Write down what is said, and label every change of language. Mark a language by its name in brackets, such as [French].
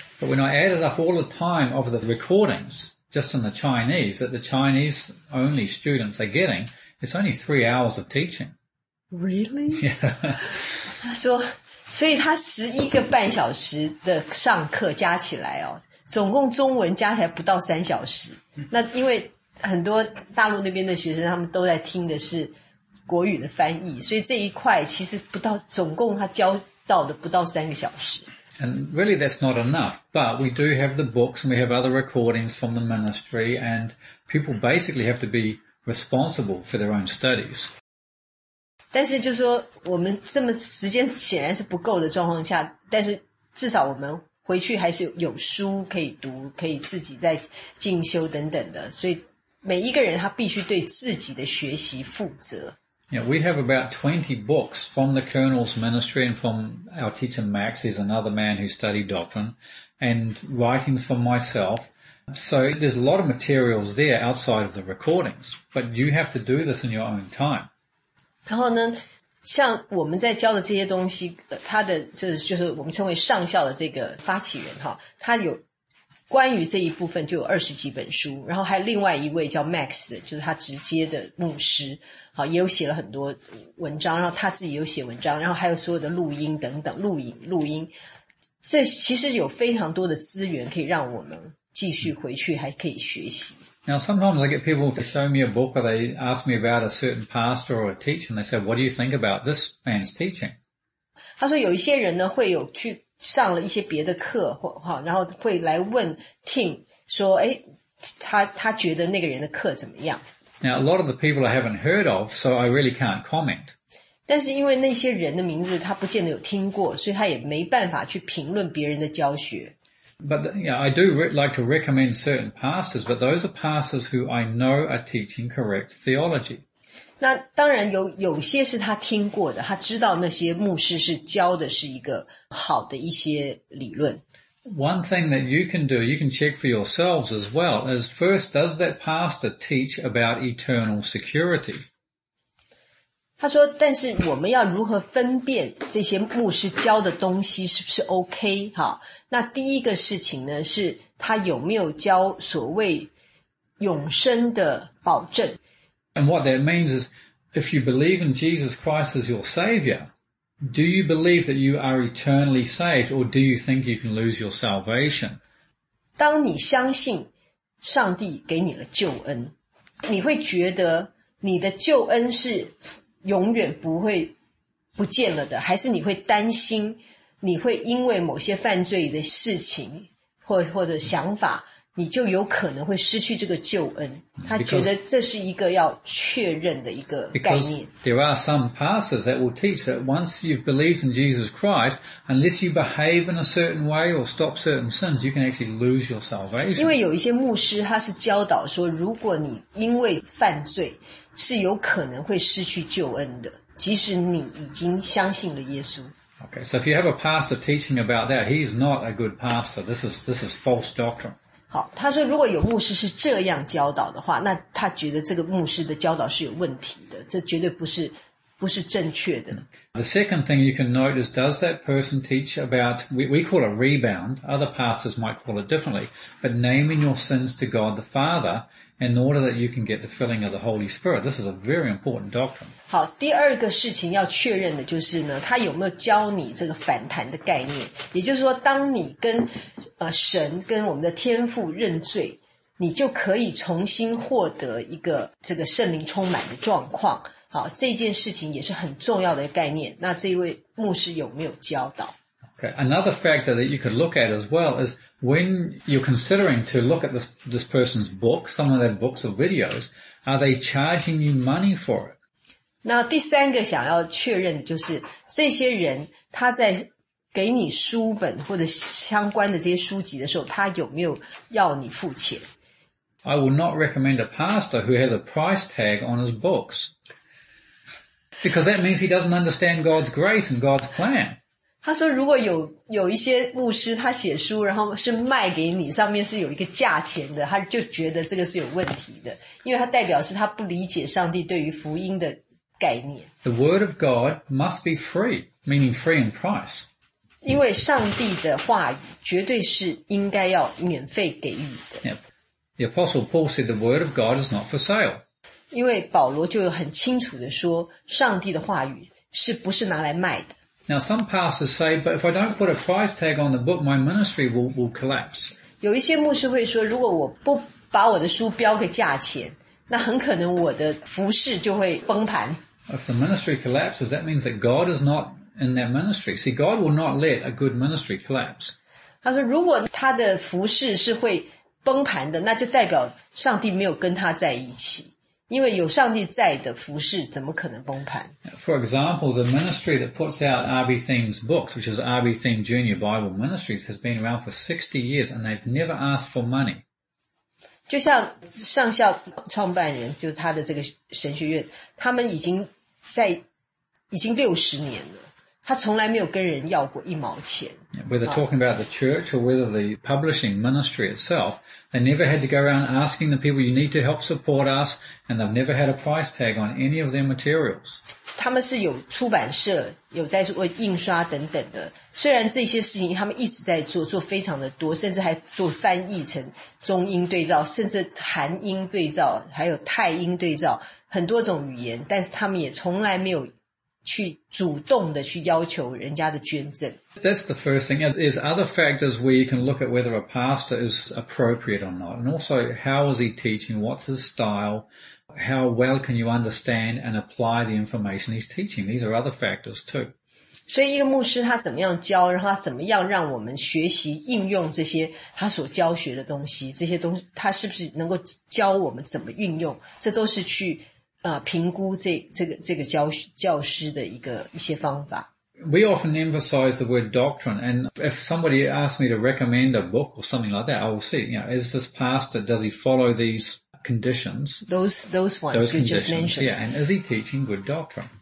[English] But when I added up all the time of the recordings, just in the Chinese, that the Chinese only students are getting, it's only 3 hours of teaching. Really? Yeah. [Chinese] 他说，所以他11个半小时的上课加起来哦，总共中文加起来不到3小时。那因为很多大陆那边的学生，他们都在听的是国语的翻译，所以这一块其实不到，总共他教到的不到3个小时。 [English] And really that's not enough, but we do have the books and we have other recordings from the ministry, and people basically have to be responsible for their own studies. [Chinese] 但是就是说我们这么时间显然是不够的状况下，但是至少我们回去还是有书可以读，可以自己在进修等等的，所以每一个人他必须对自己的学习负责。 [English] Yeah, we have about 20 books from the Colonel's ministry and from our teacher Max, he's another man who studied doctrine, and writings from myself. So there's a lot of materials there outside of the recordings, but you have to do this in your own time. [Chinese] 然后呢，像我们在教的这些东西，他的就是我们称为上校的这个发起人，他有关于这一部分就有20几本书，然后还有另外一位叫 Max 的，就是他直接的牧师，好，也有写了很多文章，然后他自己有写文章，然后还有所有的录音等等，录音，这其实有非常多的资源可以让我们继续回去还可以学习。 [English] Now sometimes I get people to show me a book or they ask me about a certain pastor or a teacher and they say, what do you think about this man's teaching? [Chinese] 他说有一些人呢会有去上了一些别的课，然后会来问 Tim 说，诶，他觉得那个人的课怎么样。 [English] Now, a lot of the people I haven't heard of, so I really can't comment. [Chinese] 但是因为那些人的名字他不见得有听过，所以他也没办法去评论别人的教学。 [English] But, yeah, I do like to recommend certain pastors, but those are pastors who I know are teaching correct theology. [Chinese] 那当然有些是他听过的，他知道那些牧师是教的是一个好的一些理论。 [English] One thing that you can do, you can check for yourselves as well, is first, does that pastor teach about eternal security? [Chinese] 他说，但是我们要如何分辨这些牧师教的东西是不是 OK? 好，那第一个事情呢，是他有没有教所谓永生的保证。 [English] And what that means is, if you believe in Jesus Christ as your Savior,Do you believe that you are eternally saved, or do you think you can lose your salvation? [Chinese] 当你相信上帝给你了救恩，你会觉得你的救恩是永远不会不见了的，还是你会担心你会因为某些犯罪的事情或者想法，你就有可能会失去这个救恩。他觉得这是一个要确认的一个概念。 [English] Because there are some pastors that will teach that once you've believed in Jesus Christ, unless you behave in a certain way or stop certain sins, you can actually lose your salvation. [Chinese] 因为有一些牧师他是教导说，如果你因为犯罪是有可能会失去救恩的，即使你已经相信了耶稣。 [English] Okay, so if you have a pastor teaching about that, he's not a good pastor. This is false doctrine. [Chinese] 好，他说如果有牧师是这样教导的话，那他觉得这个牧师的教导是有问题的，这绝对不是正确的。 [English] The second thing you can note is, does that person teach about, we call it rebound, other pastors might call it differently, but naming your sins to God the Father in order that you can get the filling of the Holy Spirit. This is a very important doctrine. [Chinese] 好，第二个事情要确认的就是呢，他有没有教你这个反弹的概念，也就是说当你跟神跟我们的天父认罪，你就可以重新获得一个这个圣灵充满的状况。好，这件事情也是很重要的概念，那这一位牧师有没有教导？ [English] Okay, another factor that you could look at as well is when you're considering to look at this person's book, some of their books or videos, are they charging you money for it? [Chinese] 那第三个想要确认的就是这些人他在给你书本或者相关的这些书籍的时候他有没有要你付钱。 [English] I would not recommend a pastor who has a price tag on his books. Because that means he doesn't understand God's grace and God's plan. [Chinese] 他说如果有一些牧师他写书然后是卖给你上面是有一个价钱的他就觉得这个是有问题的。因为他代表是他不理解上帝对于福音的概念。 [English] The word of God must be free, meaning free in price. [Chinese] 因为上帝的话语绝对是应该要免费给予的。 [English] Yep. The Apostle Paul said the word of God is not for sale. [Chinese] 因为保罗就很清楚地说上帝的话语是不是拿来卖的。 [English] Now some pastors say, but if I don't put a price tag on the book, my ministry will collapse. [Chinese] 有一些牧师会说，如果我不把我的书标个价钱，那很可能我的服事就会崩盘。 [English] If the ministry collapses, that means that God is not in that ministry. See, God will not let a good ministry collapse. [Chinese] 他说，如果他的服事是会崩盘的，那就代表上帝没有跟他在一起。因为有上帝在的服事怎么可能崩盘。 [English] For example, the ministry that puts out R.B. Thing's books, which is R.B. Thing Junior Bible Ministries, has been around for 60 years and they've never asked for money. [Chinese] 就像上校创办人就是他的这个神学院他们已经60年了他从来没有跟人要过一毛钱。 [English] Whether talking about the church or whether the publishing ministry itself, they never had to go around asking the people, you need to help support us, and they've never had a price tag on any of their materials. [Chinese] 他们是有出版社，有在做印刷等等的。虽然这些事情他们一直在做，做非常的多，甚至还做翻译成中英对照，甚至韩英对照，还有泰英对照，很多种语言，但是他们也从来没有去主动的去要求人家的捐赠。 [English] That's the first thing. There's other factors where you can look at whether a pastor is appropriate or not. And also, how is he teaching? What's his style? How well can you understand and apply the information he's teaching? These are other factors too. [Chinese] 所以一个牧师他怎么样教然后他怎么样让我们学习应用这些他所教学的东西这些东西他是不是能够教我们怎么运用这都是去评估这个教师的一些方法。 [English] We often emphasize the word doctrine, and if somebody asks me to recommend a book or something like that, I will see, you know, is this pastor, does he follow these conditions? Those ones those you just mentioned. Yeah, and is he teaching good doctrine?